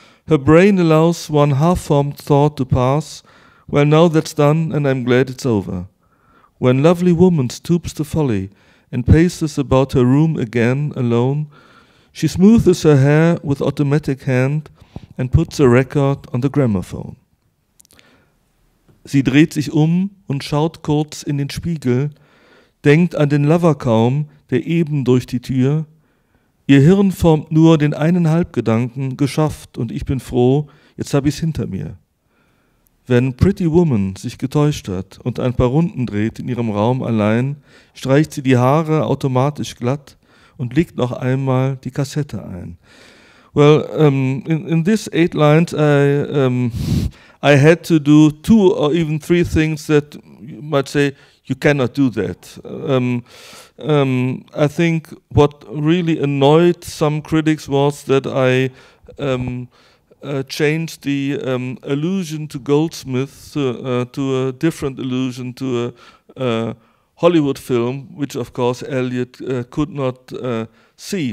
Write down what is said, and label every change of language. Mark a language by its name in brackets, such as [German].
[English] Her brain allows one half-formed thought to pass. Well, now that's done, and I'm glad it's over. When lovely woman stoops to folly and paces about her room again alone, she smooths her hair with automatic hand and puts a record on the gramophone. [German] Sie dreht sich und schaut kurz in den Spiegel, denkt an den Lover kaum, der eben durch die Tür. Ihr Hirn formt nur den einen Halbgedanken, geschafft, und ich bin froh, jetzt habe ich's hinter mir. Wenn Pretty Woman sich getäuscht hat und ein paar Runden dreht in ihrem Raum allein, streicht sie die Haare automatisch glatt und legt noch einmal die Kassette ein. [English] Well, in these eight lines, I had to do two or even three things that you might say, you cannot do that. I think what really annoyed some critics was that I changed the allusion to Goldsmith to a different allusion to a Hollywood film, which of course Eliot could not see.